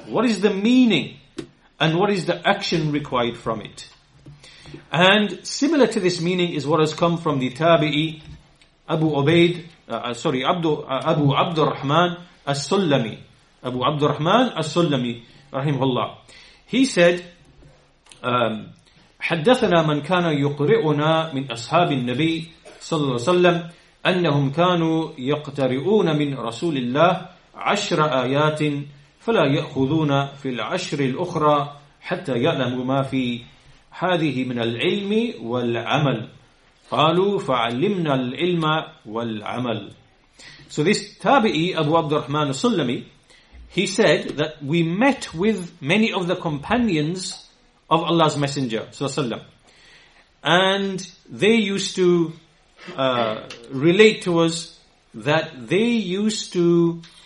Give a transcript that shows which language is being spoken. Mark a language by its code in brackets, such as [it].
[en] What is the meaning? And what is the action required from it? And similar to this meaning is what has come from the Tabi'i, Abu Abdurrahman As-Sulami, rahimahullah. He said, [ar] حدثنا من كان يقرئنا من أصحاب النبي صلى الله عليه وسلم أنهم كانوا يقترئون من رسول الله عشر آيات فلا يأخذون في العشر الأخرى حتى يعلموا ما في هذه من العلم والعمل. قالوا فعلمنا العلم والعمل. [en] So this Tabi'i Abu Abdurrahman al-Sulami, he said that we met with many of the companions of Allah's Messenger, sallallahu alaihi wasallam, and they used to relate to us that they used to